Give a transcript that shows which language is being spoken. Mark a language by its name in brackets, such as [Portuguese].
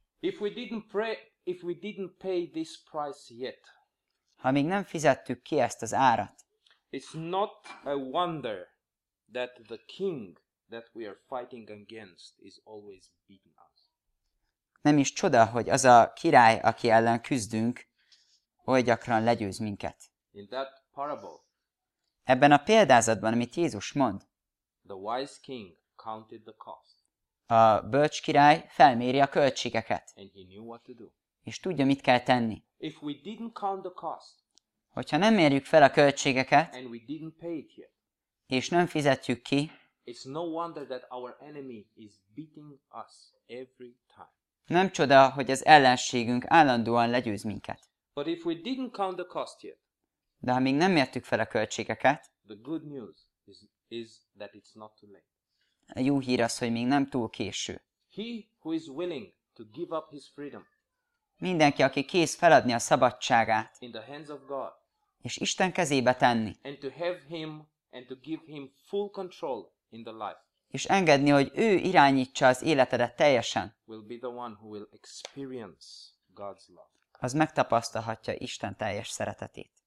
[English] If we didn't pay this price yet. [Hungarian] Ha még nem fizettük ki ezt az árat. [English] It's not a wonder that the king that we are fighting against is always beating us. [Hungarian] Nem is csoda, hogy az a király, aki ellen küzdünk, oly gyakran legyőz minket. [English] In that parable. [Hungarian] Ebben a példázatban, amit Jézus mond. [English] The wise king counted the cost. [Hungarian] A bölcs király felméri a költségeket. [English] And he knew what to do. [Hungarian] És tudja, mit kell tenni. [English] If we didn't count the cost, [Hungarian] hogyha nem mérjük fel a költségeket, [English] and we didn't pay it yet, [Hungarian] és nem fizetjük ki, [English] it's no wonder that our enemy is beating us every time. [Hungarian] Nem csoda, hogy az ellenségünk állandóan legyőz minket. [English] But if we didn't count the cost yet, [Hungarian] de ha még nem mértük fel a költségeket, [English] the good news is that it's not too late. [Hungarian] A jó hír az, hogy még nem túl késő. [English] He who is willing to give up his freedom, [Hungarian] mindenki, aki kész feladni a szabadságát, [English] in the hands of God, [Hungarian] és Isten kezébe tenni, [English] and to have him and to give him full control in the life, [Hungarian] és engedni, hogy ő irányítsa az életedet teljesen, [English] will be the one who will experience God's love. [Hungarian] Az megtapasztalhatja Isten teljes szeretetét.